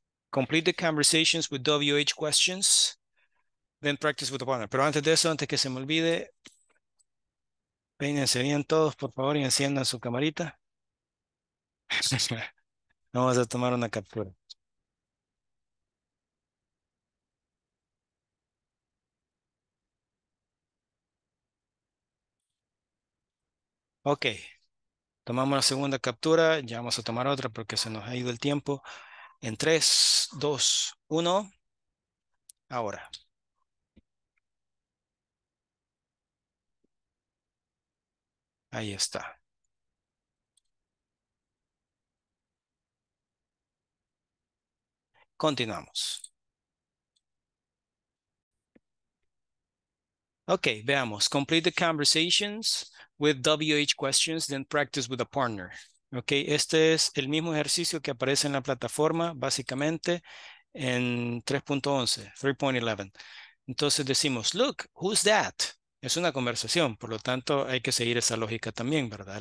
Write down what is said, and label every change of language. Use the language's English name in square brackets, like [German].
[English] Complete the conversations with WH questions, then practice with the partner. [Spanish] Pero antes de eso, antes que se me olvide, peínense bien todos, por favor, y enciendan su camarita. Vamos a tomar una captura. Ok, tomamos la segunda captura, ya vamos a tomar otra porque se nos ha ido el tiempo. En 3, 2, 1, ahora. Ahí está. Continuamos. Ok, veamos. [English] Complete the conversations with WH questions, then practice with a partner. [Spanish] Ok, este es el mismo ejercicio que aparece en la plataforma, básicamente, en 3.11. Entonces decimos, [English] look, who's that? [Spanish] Es una conversación, por lo tanto, hay que seguir esa lógica también, ¿verdad?